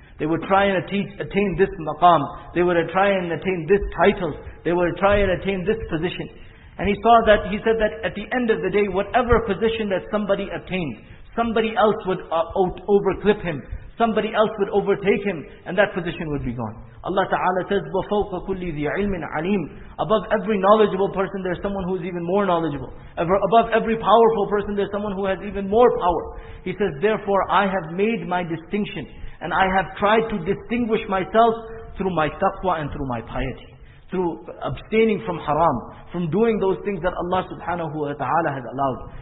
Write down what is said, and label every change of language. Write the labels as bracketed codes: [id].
[en] They would try and attain this maqam. They would try and attain this title. They would try and attain this position. And he saw that, he said that at the end of the day, whatever position that somebody attained, somebody else would overclip him. Somebody else would overtake him, and that position would be gone. Allah Ta'ala says, [ar] وَفَوْقَ كُلِّ ذِي عِلْمٍ عَلِيمٍ. [en] Above every knowledgeable person, there's someone who is even more knowledgeable. Above every powerful person, there's someone who has even more power. He says, therefore, I have made my distinction, and I have tried to distinguish myself through my taqwa and through my piety. Through abstaining from haram, from doing those things that Allah subhanahu wa ta'ala has allowed.